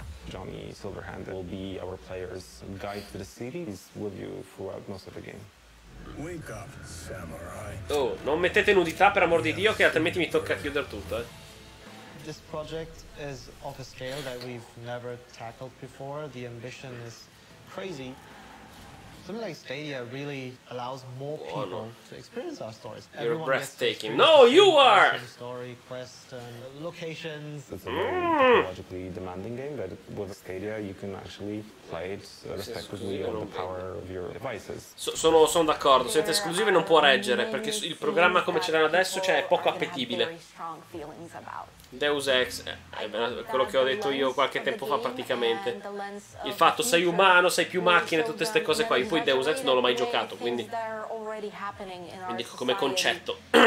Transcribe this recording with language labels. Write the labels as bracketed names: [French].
[English] Johnny Silverhand will be our player's guide to the city. He's with you throughout most of the game. Wake up, samurai. [Italian] Oh, non mettete nudità per amor di Dio, che altrimenti mi tocca chiudere tutto, eh. [English] This project is of a scale that we've never tackled before. The ambition is crazy. Something like Stadia really allows more people to experience our stories. You're everyone breathtaking. No, you are. Story quest and locations. It's a technologically demanding game, but with Stadia you can actually play it respectively of the power of your devices. [Italian] Sono d'accordo. Senza esclusive non può reggere, perché il programma come ce l'hanno adesso, cioè, è poco appetibile. Deus Ex è quello che ho detto io qualche tempo fa, praticamente il fatto sei umano, sei più macchine, tutte queste cose qua. Io poi Deus Ex non l'ho mai giocato, quindi come concetto.